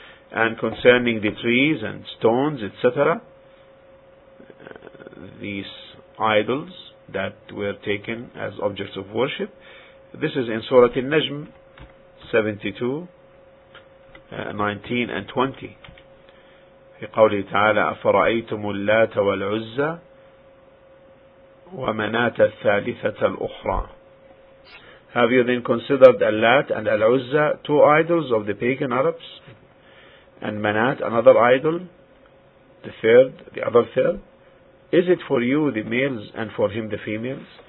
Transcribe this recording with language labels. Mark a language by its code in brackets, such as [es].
[en] And concerning the trees and stones, etc., these idols that were taken as objects of worship, this is in Surah An-Najm 72:19-20. [ar] في قوله تعالى أفرأيتم اللات والعزى ومنات الثالثة الأخرى. [en] Have you then considered Al-Lat and Al Uzza, two idols of the pagan Arabs, and Manat, another idol, the other third? Is it for you the males and for him the females?